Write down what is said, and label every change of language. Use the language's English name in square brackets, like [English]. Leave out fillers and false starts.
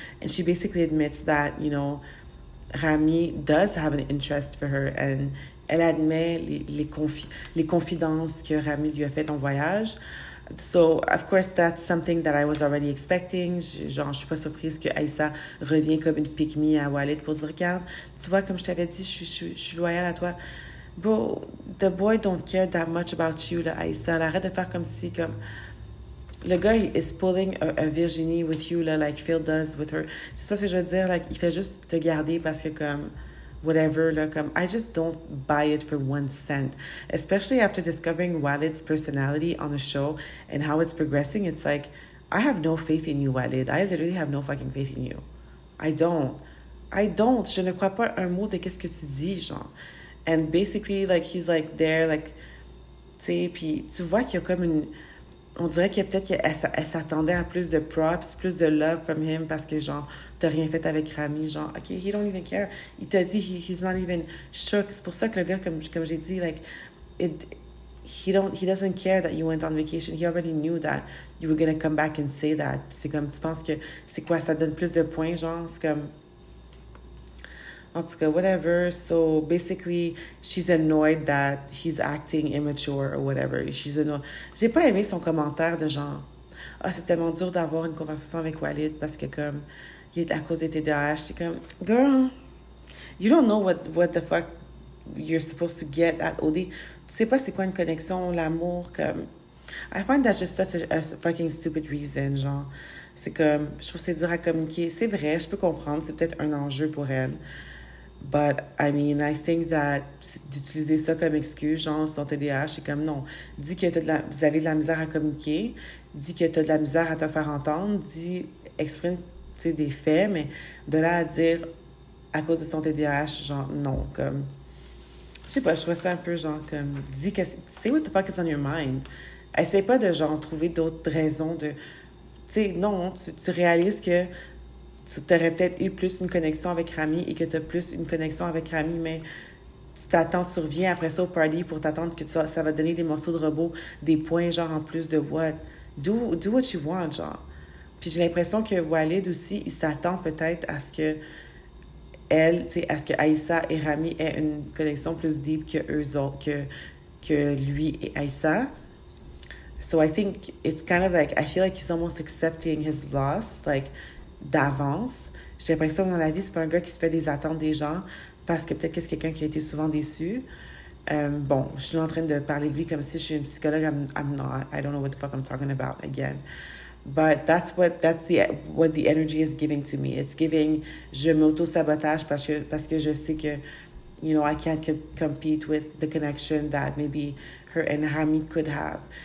[English] And she basically admits that, you know, Rami does have an interest for her. [French] And elle admet les confidences que Rami lui a faites en voyage. [English] So, of course, that's something that I was already expecting. [French] Genre, je suis pas surprise que Aïssa revient comme une pick-me à Walid pour dire, regarde, tu vois, comme je t'avais dit, je suis loyale à toi. [English] Bro, the boy don't care that much about you, là, Aïssa. [French] Arrête de faire comme si, comme... Le gars, [English] he is pulling a Virginie with you, là, like Phil does with her. [French] C'est ça ce que je veux dire, like, il fait juste te garder parce que, comme... [English] Whatever, là, comme, I just don't buy it for 1 cent. Especially after discovering Walid's personality on the show and how it's progressing, it's like, I have no faith in you, Walid. I literally have no fucking faith in you. I don't. [French] Je ne crois pas un mot de qu'est-ce que tu dis, genre. [English] And basically, like, he's, like, there, like, [French] tu sais, puis tu vois qu'il y a comme une... On dirait que peut-être qu'elle s'attendait à plus de props, plus de [English] love from him [French] parce que, genre, t'as rien fait avec Rami. [English] Genre, OK, he don't even care. [French] Il t'a dit, [English] he's not even shook. [French] C'est pour ça que le gars, comme j'ai dit, [English] like, he doesn't care that you went on vacation. He already knew that you were going to come back and say that. [French] C'est comme, tu penses que, c'est quoi, ça donne plus de points, genre, c'est comme... En tout cas, whatever. [English] So, basically, she's annoyed that he's acting immature or whatever. She's annoyed. [French] J'ai pas aimé son commentaire de genre, ah, oh, c'est tellement dur d'avoir une conversation avec Walid parce que, comme, il est à cause des TDAH. [English] C'est comme, girl, you don't know what the fuck you're supposed to get at OD. [French] Tu sais pas c'est quoi une connexion, l'amour, comme... [English] I find that just such a fucking stupid reason, genre. [French] C'est comme, je trouve que c'est dur à communiquer. C'est vrai, je peux comprendre, c'est peut-être un enjeu pour elle. [English] But, I mean, I think that [French] d'utiliser ça comme excuse, genre, son TDAH, c'est comme, non. Dis que vous avez de la misère à communiquer. Dis que tu as de la misère à te faire entendre. Dis, exprime, tu sais, des faits. Mais de là à dire, à cause de son TDAH, genre, non. Comme, je sais pas, je trouve ça un peu, genre, comme, dis que, [English] say what the fuck is on your mind. [French] Essaye pas de, genre, trouver d'autres raisons de... Tu sais, non, tu réalises que tu aurais peut-être eu plus une connexion avec Rami et que tu as plus une connexion avec Rami, mais tu t'attends, tu reviens après ça au party pour t'attendre que ça va donner des morceaux de robot, des points, genre, en plus de what? [English] Do what you want, [French] genre. Puis j'ai l'impression que Walid aussi, il s'attend peut-être à ce que elle, tu sais, à ce que Aïssa et Rami aient une connexion plus deep que eux autres, que lui et Aïssa. [English] So I think it's kind of like, I feel like he's almost accepting his loss, like, d'avance. [French] J'ai l'impression que dans la vie, c'est pas un gars qui se fait des attentes des gens, parce que peut-être que c'est quelqu'un qui a été souvent déçu. Bon, je suis en train de parler de lui comme si je suis une psychologue. [English] I'm not. I don't know what the fuck I'm talking about again. But that's what the energy is giving to me. It's giving, [French] je m'auto-sabotage parce que je sais que, [English] I can't compete with the connection that maybe her and Hamid could have.